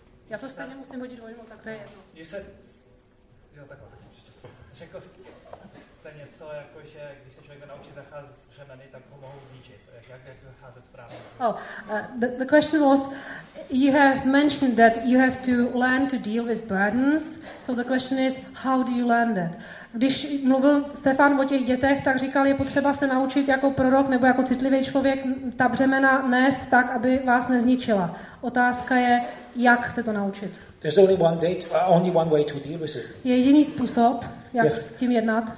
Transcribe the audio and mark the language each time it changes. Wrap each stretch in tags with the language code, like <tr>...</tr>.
<cs>Já to stejně musím hodit dvojmo, tak to je jedno. Jo, takhle, tak určitě. Řekl jste něco, jakože když se člověk naučí zacházet s břemeny, tak ho mohou zničit. Jak zacházet správně?</cs> <en>The question was, you have mentioned that you have to learn to deal with burdens. So the question is, how do you learn that?</en> <cs>Když mluvil Stefan o těch dětech, tak říkal, je potřeba se naučit jako prorok nebo jako citlivý člověk ta břemena nést tak, aby vás nezničila. Otázka je, jak se to naučit.</cs> <en>There's only one way to deal with it.</en> <cs>Je jediný způsob, jak s tím jednat.</cs>